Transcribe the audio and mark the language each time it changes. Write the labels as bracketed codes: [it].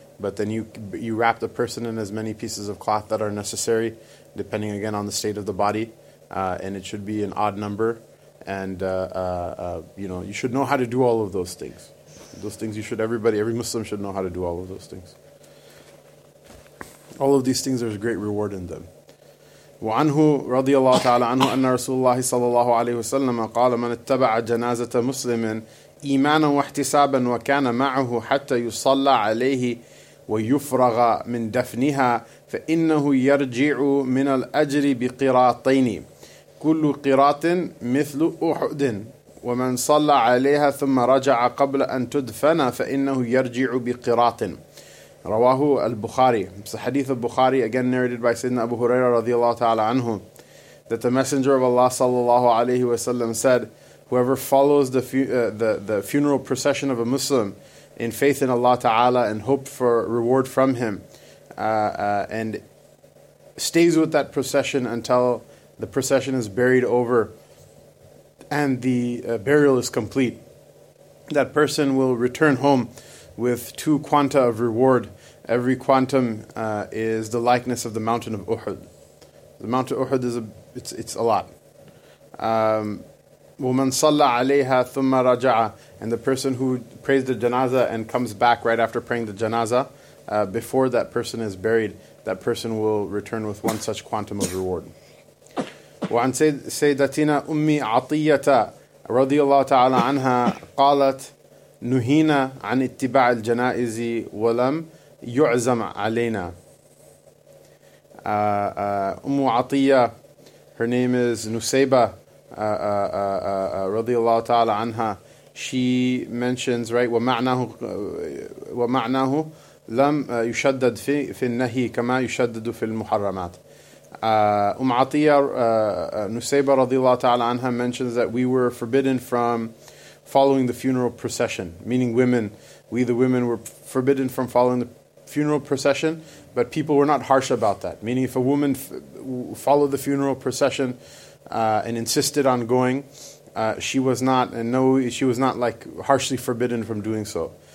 [en] But then you wrap the person in as many pieces of cloth that are necessary, depending, again, on the state of the body. And it should be an odd number. And you should know how to do all of those things. Those things you should, every Muslim should know how to do all of those things. All of these things, there's great reward in them. [ar] وَعَنْهُ رَضِيَ اللَّهُ تَعَالَى عَنْهُ أَنَّ رَسُولَ اللَّهِ صَلَى اللَّهُ عَلَيْهُ وَسَلَّمَ قَالَ مَنَ اتَّبَعَ جَنَازَةَ مُسْلِمٍ إِيمَانًا وَاحْتِسَابًا وَكَانَ مَعَهُ حَتَّى يُصَلَّى عَلَيْهِ وَيُفْرَغَ مِنْ دَفْنِهَا فَإِنَّهُ يَرْجِعُ مِنَ الْأَجْرِ بِقِرَاطَيْنِ كل قراط مثل أحد ومن صلى عليها ثم رجع قبل أن تدفن فإنه يرجع بقراط رواه البخاري. [en] So hadith of Bukhari, again narrated by Sayyidina Abu Huraira [ar] رضي الله تعالى عنه, [en] that the Messenger of Allah [ar] صلى الله عليه وسلم [en] said, whoever follows the funeral procession of a Muslim in faith in Allah Ta'ala and hope for reward from him and stays with that procession until the procession is buried over and the burial is complete, that person will return home with two quanta of reward. Every quantum is the likeness of the mountain of Uhud. The mountain of Uhud is a lot. [ar] وَمَنْ صَلَّى عَلَيْهَا ثُمَّ رَجَعَ, [en] and the person who prays the janaza and comes back right after praying the janaza, before that person is buried, that person will return with one such quantum of reward. [ar] وعن سيدتنا أمي عطية رضي الله تعالى عنها قالت نهينا عن اتباع الجنائز ولم يعزم علينا. أم عطية, [en] her name is Nusayba [ar] رضي الله تعالى عنها, [en] she mentions, right, [ar] ومعناه لم يشدد في النهي كما يشدد في المحرمات. [en] Atiyah Nusayba radiallahu ta'ala anha mentions that we were forbidden from following the funeral procession, meaning women, we the women were forbidden from following the funeral procession, but people were not harsh about that, meaning if a woman followed the funeral procession and insisted on going, she was not like harshly forbidden from doing so.